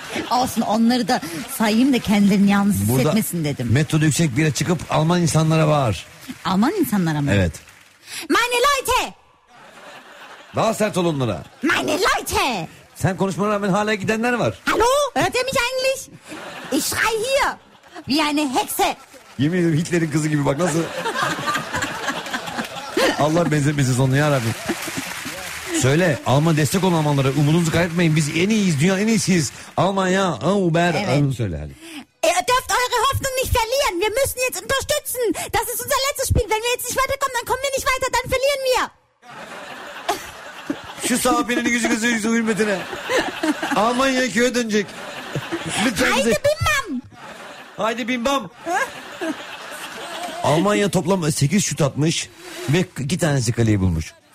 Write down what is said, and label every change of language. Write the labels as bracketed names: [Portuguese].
[Turkish] Olsun, onları da sayayım da kendilerini yalnız burada hissetmesin dedim. Metoda yüksek bire çıkıp Alman insanlara bağır. Alman insanlara mı? Evet. [German] Meine Leute. [Turkish] Daha sert ol onlara. [German] Meine Leute. [Turkish] Sen konuşmana rağmen hala gidenler var. [German] Hallo, hörte mich eigentlich? Ich schreie hier wie eine Hexe. [Turkish] Yemin ederim Hitler'in kızı gibi bak nasıl. Allah benzemesin sonuna yarabbim. Söyle, Alman destek olan Almanlara umudunuzu kaybetmeyin. Biz en iyiyiz, dünyanın en iyisiyiz. Almanya, Uber, evet. Onu söyle hadi. [German] Ihr dürft eure Hoffnung nicht verlieren. Wir müssen jetzt unterstützen. Das ist unser letztes Spiel. Wenn wir jetzt nicht weiterkommen, dann kommen wir nicht weiter. Dann verlieren wir. [Turkish] Şu sağ birini gözü gözü yüzü hürmetine. Almanya köye dönecek. Haydi bimbam. Haydi bimbam. Almanya toplam 8 şut atmış ve 2 tanesi kaleyi bulmuş.